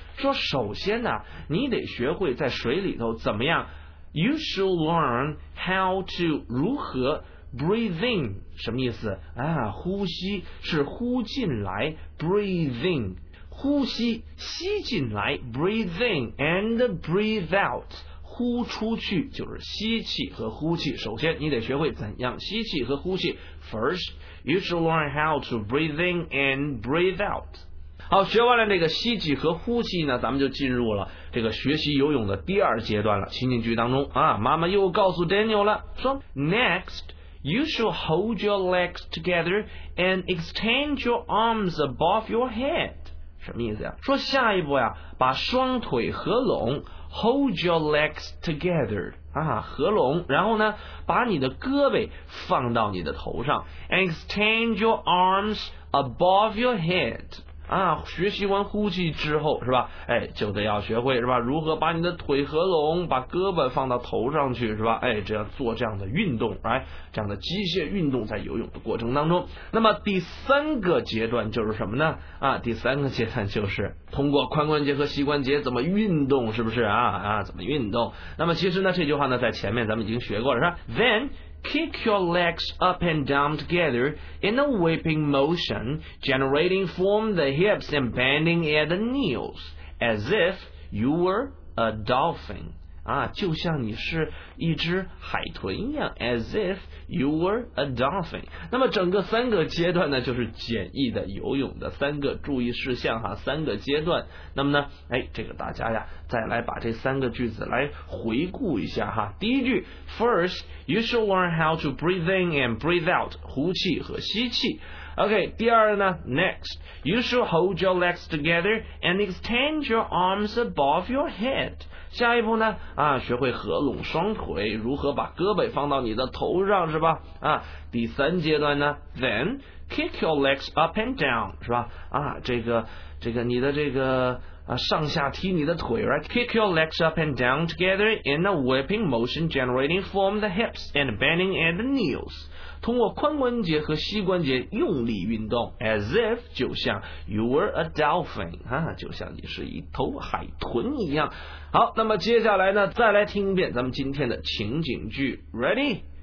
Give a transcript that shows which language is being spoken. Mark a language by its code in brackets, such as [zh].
[zh] 说首先呢，你得学会在水里头怎么样 ？ [en] You should learn how to [zh] 如何 [en] breathe in [zh] 什么意思啊？呼吸是呼进来 ，breathe in 呼吸吸进来 ， [en] breathe in and breathe out [zh] 呼出去就是吸气和呼气。首先你得学会怎样吸气和呼气。 [en] First, you should learn how to breathe in and breathe out. [zh] 好，学完了这个吸气和呼气呢，咱们就进入了这个学习游泳的第二阶段了。情景句当中啊，妈妈又告诉 Daniel 了，说 [en] Next, you should hold your legs together and extend your arms above your head. [zh] 什么意思呀？说下一步呀，把双腿合拢 ， [en] hold your legs together [zh] 啊，合拢，然后呢，把你的胳膊放到你的头上 ， [en] and extend your arms above your head. [zh] 啊，学习完呼气之后是吧？哎，就得要学会是吧？如何把你的腿合拢，把胳膊放到头上去是吧？哎，这样做这样的运动，哎，这样的机械运动在游泳的过程当中。那么第三个阶段就是什么呢？啊，第三个阶段就是通过髋关节和膝关节怎么运动，是不是啊？啊，怎么运动？那么其实呢，这句话呢，在前面咱们已经学过了，是吧 ？Then。 [en] Kick your legs up and down together in a whipping motion, generating form the hips and bending at the knees, as if you were a dolphin. [zh] 啊，就像你是一只海豚一样 ， [en] as if you were a dolphin. [zh] 那么整个三个阶段呢，就是简易的游泳的三个注意事项哈，三个阶段。那么呢，哎，这个大家呀，再来把这三个句子来回顾一下哈。第一句 [en] ，First, you should learn how to breathe in and breathe out, [zh] 呼气和吸气。 [en] OK, [zh] 第二呢 [en] ，Next, you should hold your legs together and extend your arms above your head. [zh] 下一步呢啊，学会合拢双腿，如何把胳膊放到你的头上是吧啊，第三阶段呢 [en] then kick your legs up and down [zh] 是吧啊，这个你的这个啊，上下踢你的腿 right? [en] Kick your legs up and down together in a whipping motion generating form the hips and bending at the knees [zh] 通过髋关节和膝关节用力运动 [en] ，as if [zh] 就像 [en] you were a dolphin [zh] 啊，就像你是一头海豚一样。好，那么接下来呢，再来听一遍咱们今天的情景句 ， [en] Ready?